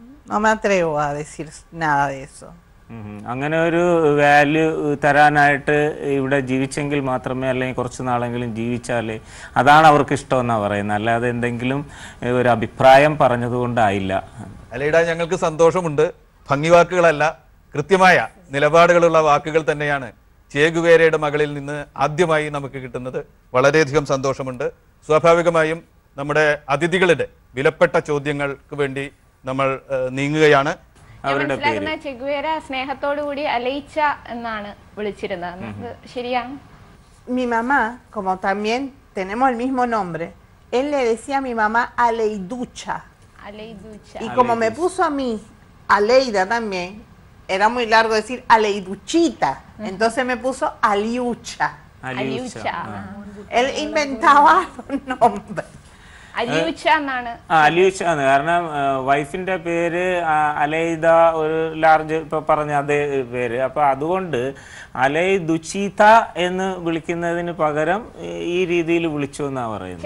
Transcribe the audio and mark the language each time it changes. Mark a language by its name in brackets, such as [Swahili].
[Spanish] No me atrevo a decir nada de eso. [Malayalam] അങ്ങനെ ഒരു value തരാനായിട്ട് ഇവിടെ ജീവിച്ചെങ്കിൽ മാത്രമേ, അല്ലെങ്കിൽ കുറച്ച് നാളെങ്കിലും ജീവിച്ചാലേ അതാണ് അവർക്ക് ഇഷ്ടമെന്നാണ് പറയുന്നത്. അല്ലാതെ എന്തെങ്കിലും ഒരു അഭിപ്രായം പറഞ്ഞതുകൊണ്ടായില്ല. അലൈഡ, ഞങ്ങൾക്ക് സന്തോഷമുണ്ട്. ഭംഗി വാക്കുകളല്ല, കൃത്യമായ നിലപാടുകളുള്ള വാക്കുകൾ തന്നെയാണ് ചേഗുവേരയുടെ മകളിൽ നിന്ന് ആദ്യമായി നമുക്ക് കിട്ടുന്നത്. വളരെയധികം സന്തോഷമുണ്ട്. സ്വാഭാവികമായും നമ്മുടെ അതിഥികളുടെ വിലപ്പെട്ട ചോദ്യങ്ങൾക്ക് വേണ്ടി നമ്മൾ നീങ്ങുകയാണ്. ചെഗുവേര സ്നേഹത്തോടുകൂടി അലയിച്ച എന്നാണ് വിളിച്ചിരുന്നത്, ശരിയാണ്? [Spanish] Mi mamá, como también tenemos el mismo nombre, él le decía a mi mamá Aleiducha. Aleiducha. Y como me puso a mí Aleida también, era muy largo decir Aleiduchita. Entonces me puso Aliucha. Aliucha. Él inventaba un nombre. [Malayalam] അലിയുച്ച ആണ്, കാരണം വൈഫിന്റെ പേര് അലൈദ, ഒരു large ഇപ്പൊ പറഞ്ഞ അതേ പേര്. അപ്പൊ അതുകൊണ്ട് അലൈദുച്ചീത എന്ന് വിളിക്കുന്നതിന് പകരം ഈ രീതിയിൽ വിളിച്ചു എന്നാണ് പറയുന്നത്.